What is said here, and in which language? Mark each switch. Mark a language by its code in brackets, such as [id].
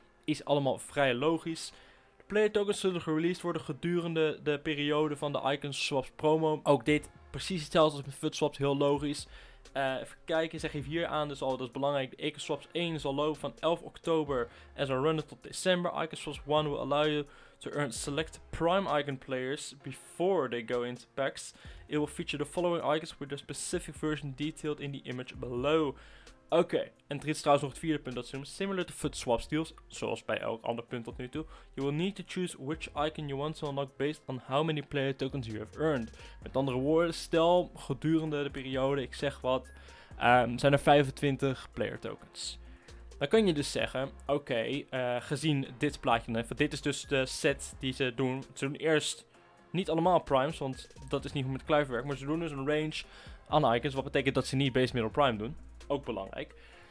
[nl] Is allemaal vrij logisch. De player tokens zullen gereleased worden gedurende de periode van de icon swaps promo. Ook dit precies hetzelfde als met FUT swaps, heel logisch. Even kijken, zeg even hier aan, dus al, dat is belangrijk. De Icon Swaps 1 zal lopen van 11 oktober en zal runnen tot december. [en] Icon Swaps 1 will allow you to earn select prime icon players before they go into packs. It will feature the following icons with the specific version detailed in the image below. [nl] Oké, en er is trouwens nog het vierde punt dat ze noemen. [en] Similar to FUT Swaps deals, [nl] zoals bij elk ander punt tot nu toe, [en] you will need to choose which icon you want to unlock based on how many player tokens you have earned. [nl] Met andere woorden, stel gedurende de periode, ik zeg wat, zijn er 25 player tokens. Dan kun je dus zeggen, gezien dit plaatje, even, dit is dus de set die ze doen. Ze doen eerst niet allemaal primes, want dat is niet hoe met Kluiver werkt, maar ze doen dus een range aan icons, wat betekent dat ze niet base middle prime doen. Ook belangrijk.